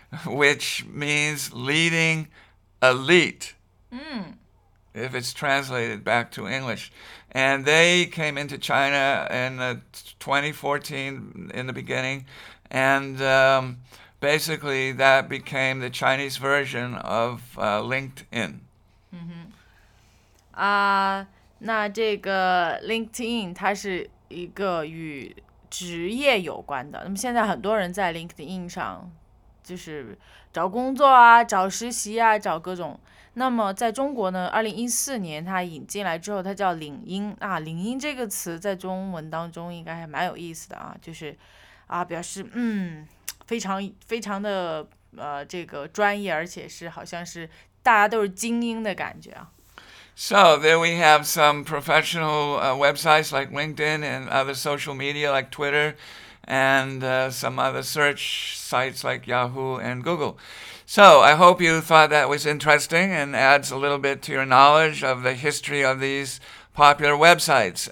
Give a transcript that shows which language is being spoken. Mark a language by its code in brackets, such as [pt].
[en] Which means leading elite, if it's translated back to English. And they came into China in 2014 in the beginning, and Basically, that became the Chinese version of LinkedIn. [zh] 嗯哼，啊，那这个 LinkedIn 它是一个与职业有关的。那么现在很多人在 LinkedIn 上就是找工作啊，找实习啊，找各种。那么在中国呢，2014年它引进来之后，它叫领英啊。领英这个词在中文当中应该还蛮有意思的啊，就是啊，表示非常的这个专业，而且是好像是大家都是精英的感觉啊。 [en] So there we have some professional websites like LinkedIn and other social media like Twitter, and some other search sites like Yahoo and Google. So I hope you thought that was interesting and adds a little bit to your knowledge of the history of these popular websites.